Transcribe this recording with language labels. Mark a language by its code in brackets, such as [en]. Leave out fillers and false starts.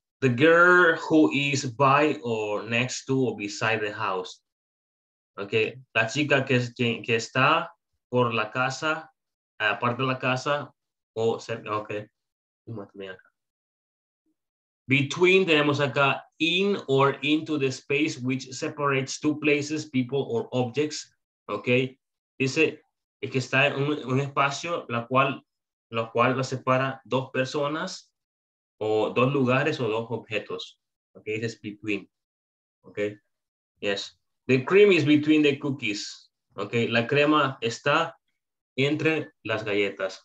[en] The girl who is by or next to or beside the house. Okay. [es] La chica que está por la casa, aparte de la casa, o cerca. [en] Okay. Between [es] tenemos acá [en] in or into the space which separates two places, people or objects. Okay. [es] Dice es que está en un espacio la cual lo separa dos personas o dos lugares o dos objetos. [en] Okay, it is between. Okay, yes. The cream is between the cookies. Okay, [es] la crema está entre las galletas.